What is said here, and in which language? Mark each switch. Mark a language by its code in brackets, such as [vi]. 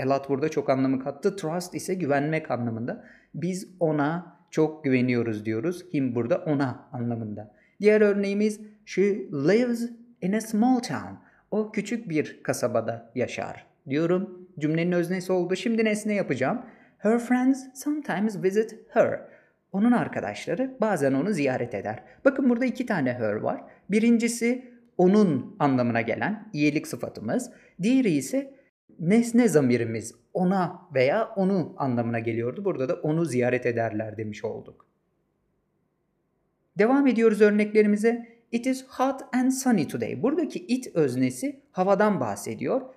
[tr] A lot burada çok anlamı kattı. Trust ise güvenmek anlamında. Biz ona çok güveniyoruz diyoruz. Him burada ona anlamında. Diğer örneğimiz [en] she lives in a small town. [tr] O küçük bir kasabada yaşar diyorum. Cümlenin öznesi oldu. Şimdi nesne yapacağım. [en] Her friends sometimes visit her. [tr] Onun arkadaşları bazen onu ziyaret eder. Bakın burada iki tane her var. Birincisi onun anlamına gelen iyilik sıfatımız. Diğeri ise nesne zamirimiz ona veya onu anlamına geliyordu. Burada da onu ziyaret ederler demiş olduk. Devam ediyoruz örneklerimize. [en] It is hot and sunny today. [tr] Buradaki it öznesi havadan bahsediyor.